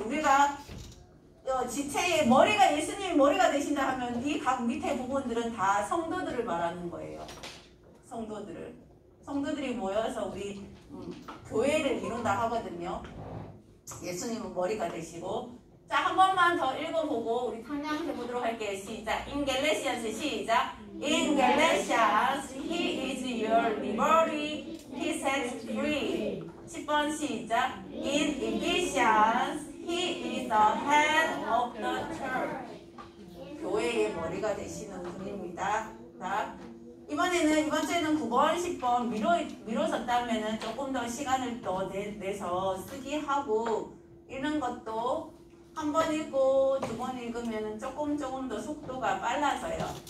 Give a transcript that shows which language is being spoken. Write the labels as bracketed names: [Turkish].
[Korean] 우리가 지체의 머리가 예수님이 머리가 되신다 하면 이 각 밑에 부분들은 다 성도들을 말하는 거예요. 성도들이 모여서 우리 교회를 이룬다 하거든요. 예수님은 머리가 되시고. 자, 한 번만 더 읽어보고 우리 찬양 해보도록 할게요. 시작! [English] In Galatians, [Korean] 시작! [English] In Galatians, he is your liberty, he sets free. [Korean] 10번 시작! [English] In Ephesians, he is the head of the church. [Korean] 교회의 머리가 되시는 분입니다. 자, 이번 주에는 9번, 10번 미뤘었다면 조금 더 시간을 더 내서 쓰기 하고 읽는 것도 한 번 읽고 두 번 읽으면 조금 더 속도가 빨라서요.